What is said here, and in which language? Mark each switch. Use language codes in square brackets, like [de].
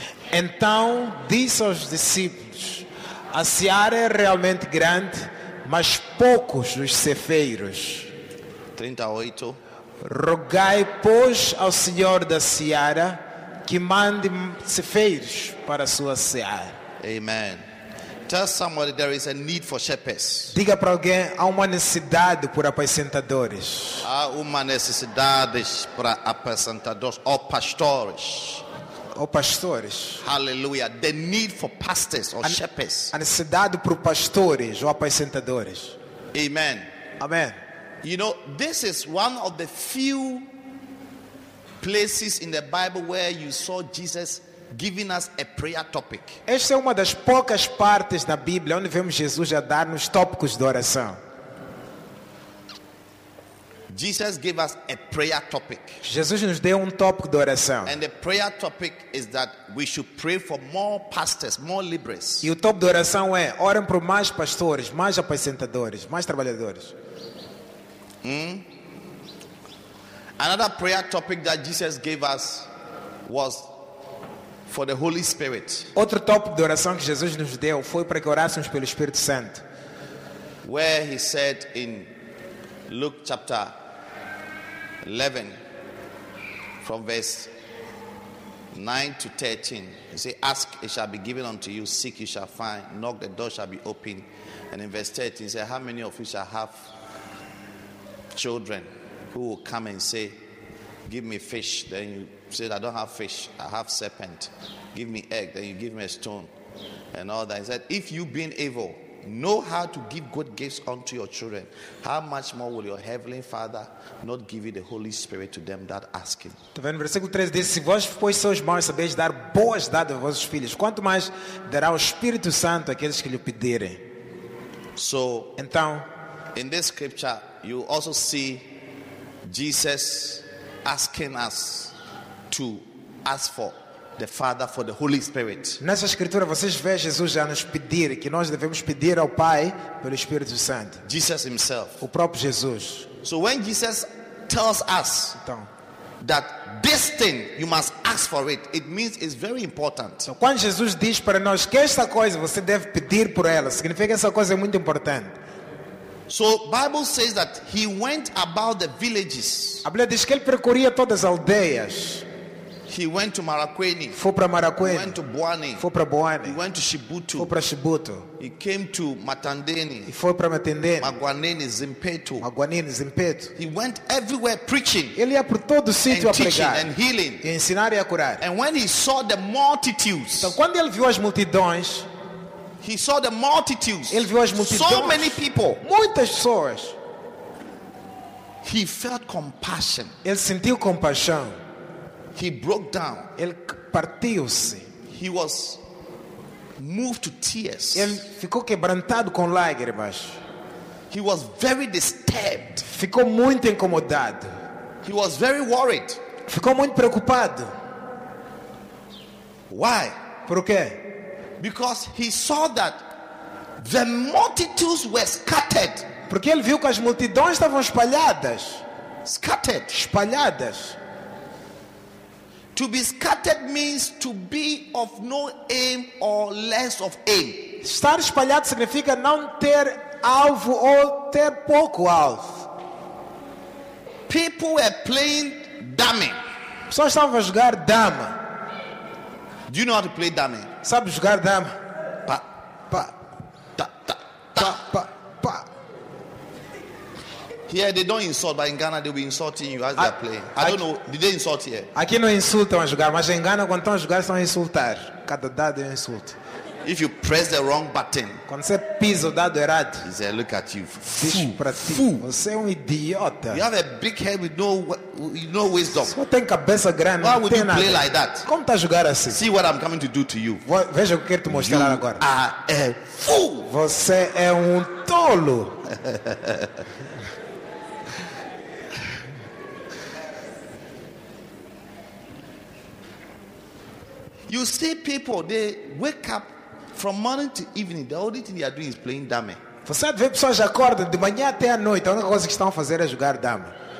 [pt] Então disse aos discípulos: a seara é realmente grande, mas poucos os ceifeiros. 38. Rogai, pois, ao Senhor da seara que mande ceifeiros para a sua seara. Amen. [en] Tell somebody there is a need for shepherds. [pt] Diga para alguém: há uma necessidade por apacentadores. Há uma necessidade para apacentadores ou pastores. Oh, pastores. [en] Hallelujah. The need for pastors or shepherds. [pt] A necessidade para pastores ou apacentadores. Amen. Amen. [en] You know, this is one of the few places in the Bible where you saw Jesus giving us a prayer topic. [pt] Esta é uma das poucas partes na Bíblia onde vemos Jesus a dar-nos tópicos de oração. [en] Jesus gave us a prayer topic. [pt] Jesus nos deu tópico de oração. [en] And the prayer topic is that we should pray for more pastors, more laborers. [pt] E o tópico de oração é: orem por mais pastores, mais apacentadores, mais trabalhadores. [en] Another prayer topic that Jesus gave us was for the Holy Spirit. [pt] Outro tópico de oração que Jesus nos deu foi para que orássemos pelo Espírito Santo. [en] Where he said in Luke chapter 11 from verse 9 to 13, you say, ask, it shall be given unto you, seek, you shall find, knock, the door shall be opened. And in verse 13, he said, how many of you shall have children who will come and say, give me fish? Then you said, I don't have fish, I have serpent. Give me egg. Then you give me a stone and all that. He said, if you being evil know how to give good gifts unto your children, how much more will your heavenly Father not give you the Holy Spirit to them that ask him? [pt] Está vendo? Versículo 13 diz: se vós, pois, sois maus, sabeis dar boas dádivas aos vossos filhos, quanto mais dará o Espírito Santo àqueles que lhe pedirem? [en] So, [pt] então, [en] in this scripture, you also see Jesus asking us to ask for the Father for the Holy Spirit. [pt] Nessa escritura vocês vê Jesus já nos pedir que nós devemos pedir ao Pai pelo Espírito Santo. [en] Jesus himself. [pt] O próprio Jesus. [en] So when Jesus tells us [pt] então, [en] that this thing you must ask for it, it means it's very important. [pt] Então, quando Jesus diz para nós que esta coisa você deve pedir por ela, significa que essa coisa é muito importante. [en] So Bible says that he went about the villages. [pt] A Bíblia diz que ele percorria todas as aldeias. [en] He went to Marakweni. [pt] Foi para Marakweni. [en] He went to Buani. [pt] Foi para Buani. [en] He went to Shibutu. [pt] Foi para Shibutu. [en] He came to Matandeni. [pt] E foi para Matandeni. [en] Magwaneni, Zimpeto. [pt] Magwaneni, Zimpeto. [en] He went everywhere preaching. [pt] Ele ia por todo o sítio a [en] teaching, [pt] pregar. [en] And healing. [pt] E ensinar e a curar. [en] And when he saw the multitudes. [pt] Então quando ele viu as multidões, [en] he saw the multitudes. [pt] Ele viu as multidões. [en] So many people. [pt] Muitas pessoas. [en] He felt compassion. [pt] Ele sentiu compaixão. [en] He broke down. [pt] Ele partiu-se. [en] He was moved to tears. [pt] Ele ficou quebrantado com lágrimas. [en] He was very disturbed. [pt] Ficou muito incomodado. [en] He was very worried. [pt] Ficou muito preocupado. [en] Why? [pt] Por quê? [en] Because he saw that the multitudes were scattered. [pt] Porque ele viu que as multidões estavam espalhadas. [en] Scattered, [pt] espalhadas. [en] To be scattered means to be of no aim or less of aim. [pt] Estar espalhado significa não ter alvo ou ter pouco alvo. [en] People were playing dummy. [pt] Pessoas estavam a jogar dama. [en] Do you know how to play dummy? [pt] Sabe jogar dama? Pa, pa, ta, ta, ta, pa, pa. [en] Here they don't insult, but in Ghana they'll be insulting you as they're playing. I don't know. Did they insult here? [pt] Aqui não insultam a jogar, mas em Ghana quando estão a jogar estão a insultar. Cada dado é um insulto. [en] If you press the wrong button, [pt] quando você pisa o dado errado, [en] he said, look at you, fool. [pt] Você é um idiota. [en] You have a big head with no wisdom. [pt] Só tem cabeça grande. [en] Why would [pt] tem [en] you [pt] nada. [en] Play like that? [pt] Como está a jogar assim? [en] See what I'm coming to do to you. [pt] Veja o que quero te mostrar [en] you [pt] agora. [en] Are a fool. [pt] Você é um tolo. [en] You see people, they wake up from morning to evening, the only thing they are doing is playing dummy. [pt] Você vê pessoas que acordam de manhã até à noite, a única coisa que estão a fazer é jogar dama.